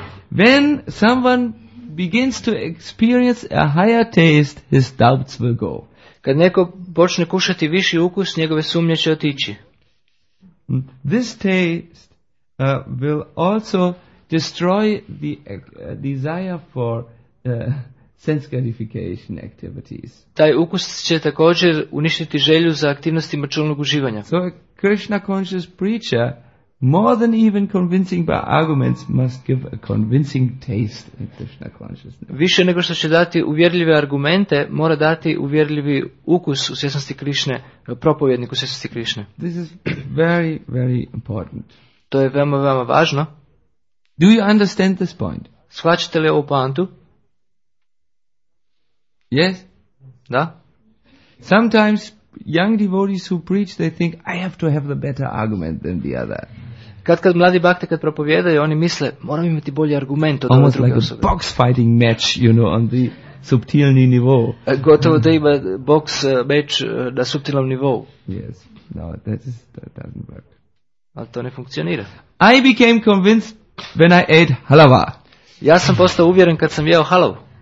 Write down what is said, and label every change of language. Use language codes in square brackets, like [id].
[en] When someone begins to experience a higher taste, his doubts will go. [hr] Kad neko počne kušati viši ukus, njegove sumnje će otići. [en] This taste will also destroy the desire for sense gratification activities. [hr] Taj ukus će također uništiti želju za aktivnostima čulnog uživanja. [en] So a Krishna conscious preacher, more than even convincing by arguments, must give a convincing taste in Krishna consciousness. [hr] Više nego što će dati uvjerljive argumente, mora dati uvjerljivi ukus u svjesnosti Krišne, propovjednik u svjesnosti Krišne. [en] This is very, very important. [hr] To je veoma, veoma važno. [en] Do you understand this point? [hr] Shvaćate li ovu poantu? [en] Yes? [hr] Da? [en] Sometimes young devotees who preach, they think, I have to have the better argument than the other. [hr] Kad mladi bhakte kad propovijedaju, oni misle, moram imati bolji argument od druge [en] Almost like a box fighting match, you know, on the [hr] subtilni nivou. Gotovo da ima [en] box match [hr] na subtilnom nivou. [en] Yes, no, that doesn't work. [hr] Ali to ne funkcionira. [en] I became convinced when I ate halava. [hr] Ja sam postao uvjeren kad sam jeo halavu.